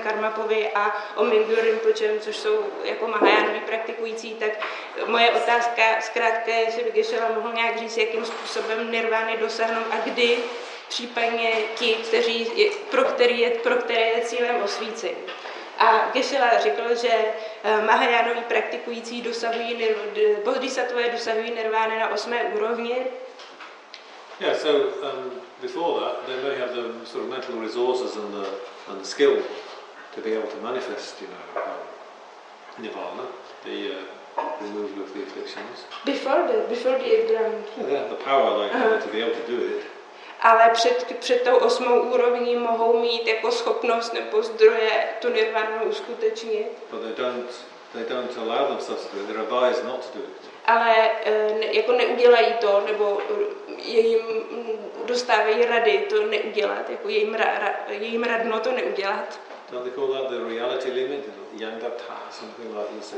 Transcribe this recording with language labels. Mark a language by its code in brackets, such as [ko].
[cs] karmapovi a o Mingyur Rinpoche, což jsou jako mahajánový praktikující, tak moje otázka zkrátka je, že by Geshe-la mohl nějak říct, jakým způsobem nirvány dosáhnout a kdy, případně ti, pro které je cílem osvícení. A Geshe-la řekl, že mahajánoví praktikující dosahují bodhisattvové dosahují nirvány na 8. úrovni. [en] Yeah, so before that, they may have the sort of mental resources and the skill to be able to manifest, you know, nirvana, the removal of the afflictions. Before the eighth ground. Yeah, they have the power, like, to be able to do it. [cs] Ale před tou osmou úrovní mohou mít jako schopnost nebo zdroje tu nirvánu uskutečnit. [en] But they don't allow themselves to do it. They're advised not to do it. [cs] Ale jako neudělají to, nebo jim dostávají rady to neudělat, jako jejím radno to neudělat. [en] Don't they call that the reality limit, yangata, something like this?